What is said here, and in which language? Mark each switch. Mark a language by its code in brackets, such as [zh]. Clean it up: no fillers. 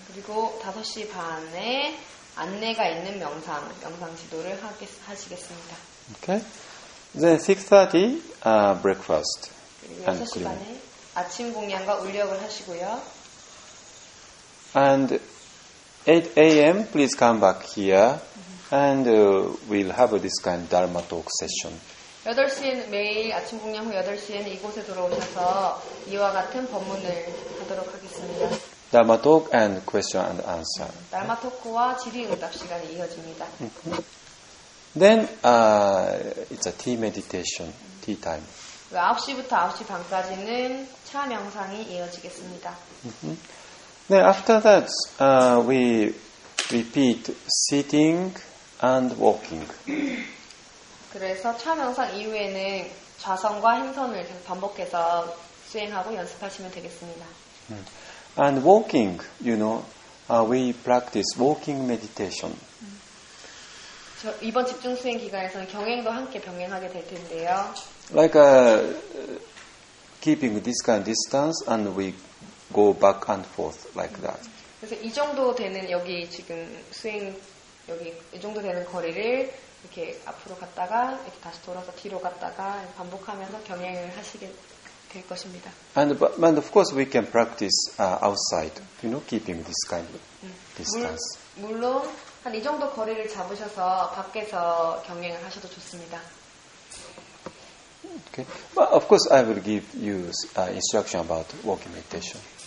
[ko] 그리고 5시 반에 안내가 있는 명상 지도를 하시겠습니다. [en] Okay. Then 6:30 breakfast. [ko] 6시 반에 아침 공양과 울력을 하시고요. [en] And 8 AM, please come back here, and we'll have this kind of Dharma talk session. [ko] 8시에는 매일 아침 공양 후 8시에는 이곳에 들어오셔서 이와 같은 법문을 하도록 하겠습니다. [en] Dharma talk and question and answer. [ko] 달마 토크와 질의응답 시간이 이어집니다. [en] Then it's a tea meditation, tea time. [ko] 9시부터 9시 반까지는 차 명상이 이어지겠습니다. [en] Then after that, we repeat sitting and walking. [ko] 그래서 차 명상 이후에는 좌선과 행선을 반복해서 수행하고 연습하시면 되겠습니다. [en] And walking, you know, we practice walking meditation. [ko] 이번 집중 수행 기간에서는 경행도 함께 병행하게 될 텐데요. [en] Like keeping this kind of distance and we go back and forth like that. [ko] 그래서 이 정도 되는 여기 지금 수행 여기 이 정도 되는 거리를 이렇게 앞으로 갔다가 이렇게 다시 돌아서 뒤로 갔다가 반복하면서 경행을 하시게 될 것입니다. [en] And of course we can practice outside, you know, keeping this kind of distance. [ko] 물론 한 이 정도 거리를 잡으셔서 밖에서 경행을 하셔도 좋습니다. [en] Okay. But of course, I will give you instruction about walking meditation.